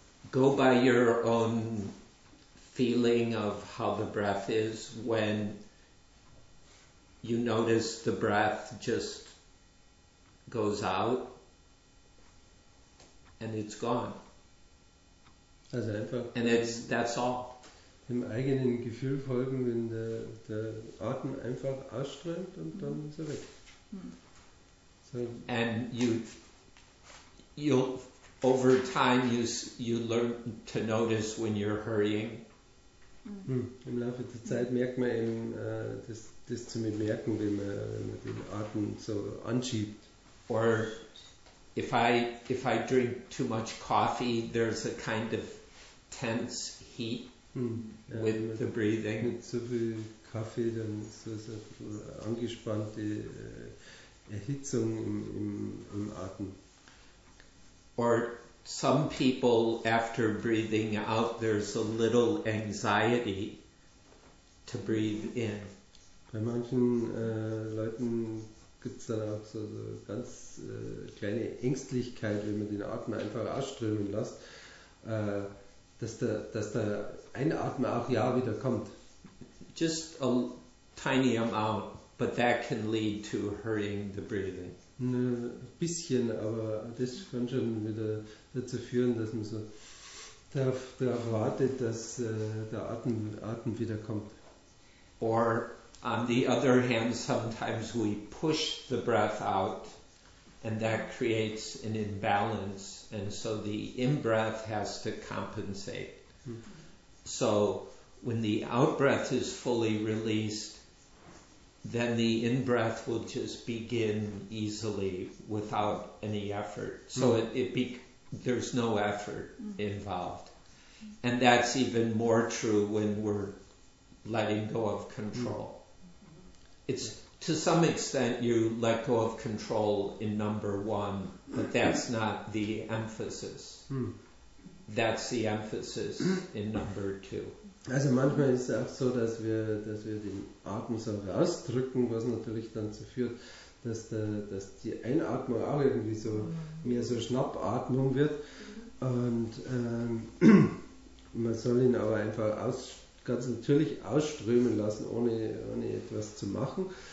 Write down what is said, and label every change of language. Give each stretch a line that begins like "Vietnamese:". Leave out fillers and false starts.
English: Go by your own feeling of how the breath is when you notice the breath just goes out and it's gone.
German: Also einfach.
English: And that's all.
German: Dem eigenen Gefühl folgen, wenn der Atem einfach ausströmt und dann ist er weg.
English: So. And you over time you learn to notice when you're hurrying.
German: Im Laufe der Zeit merkt man eben, das zu bemerken, wenn man den Atem so anschiebt.
English: Or if I drink too much coffee, there's a kind of tense heat with the breathing.
German: Mit so viel Kaffee, dann so eine angespannte Erhitzung im Atem.
English: Or some people, after breathing out, there's a little anxiety to breathe in.
German: Bei manchen Leuten gibt's dann auch so eine ganz kleine Ängstlichkeit, wenn man den Atem einfach ausströmen lässt, dass der Einatmen auch ja wieder kommt.
English: Just a tiny amount, but that can lead to hurrying the breathing.
German: Ein bisschen, aber das kann schon wieder dazu führen, dass man so darauf wartet, dass der Atem wieder kommt.
English: Or on the other hand, sometimes we push the breath out and that creates an imbalance and so the in-breath has to compensate. So when the out-breath is fully released, then the in-breath will just begin easily without any effort. So there's no effort involved. And that's even more true when we're letting go of control. It's to some extent you let go of control in number one, but that's not the emphasis. That's the emphasis in number two.
German: Also manchmal ist es auch so, dass wir den Atem so rausdrücken, was natürlich dann dazu führt, dass die Einatmung auch irgendwie so mehr so Schnappatmung wird. Und man soll ihn aber einfach ganz natürlich ausströmen lassen, ohne etwas zu machen.